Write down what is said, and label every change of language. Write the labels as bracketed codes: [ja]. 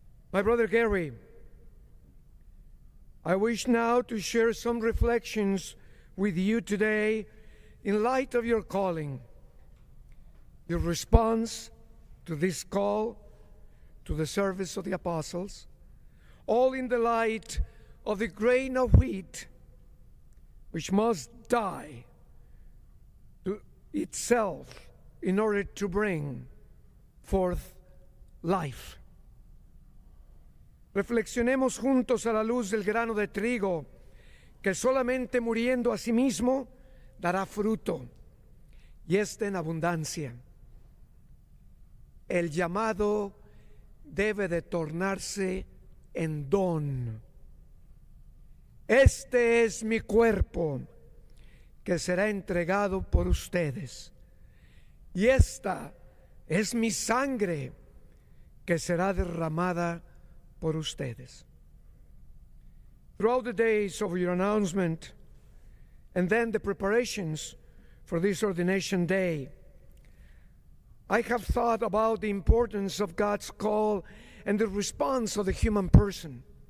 [en] My brother Gary, I wish now to share some reflections with you today in light of your calling, your response to this call to the service of the apostles, all in the light of the grain of wheat which must die to itself in order to bring forth life. [es] Reflexionemos juntos a la luz del grano de trigo que solamente muriendo a sí mismo dará fruto y este en abundancia. El llamado debe de tornarse en don. Este es mi cuerpo que será entregado por ustedes y esta es mi sangre que será derramada por ustedes. [en] Throughout the days of your announcement and then the preparations for this ordination day, I have thought about the importance of God's call and the response of the human person.